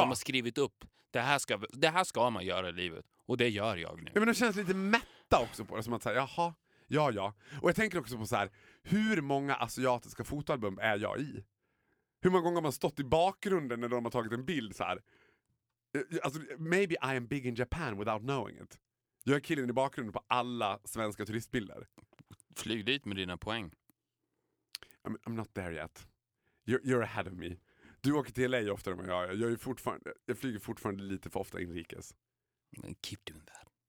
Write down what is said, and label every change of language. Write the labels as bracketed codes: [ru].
[sv] De har skrivit upp, det här ska man göra i livet. Och det gör jag nu. Ja, men de känns lite mätta också på det. Som att säga, jaha, ja. Och jag tänker också på så här, hur många asiatiska fotoalbum är jag i? Hur många gånger har man stått i bakgrunden när de har tagit en bild så här? Alltså, [en] maybe I am big in Japan without knowing it. [sv] Jag är killen i bakgrunden på alla svenska turistbilder. Flyg dit med dina poäng. [en] I'm not there yet. You're ahead of me. [sv] Du åker till LA oftare än jag. Jag flyger fortfarande lite för ofta inrikes. Men [en] keep doing that.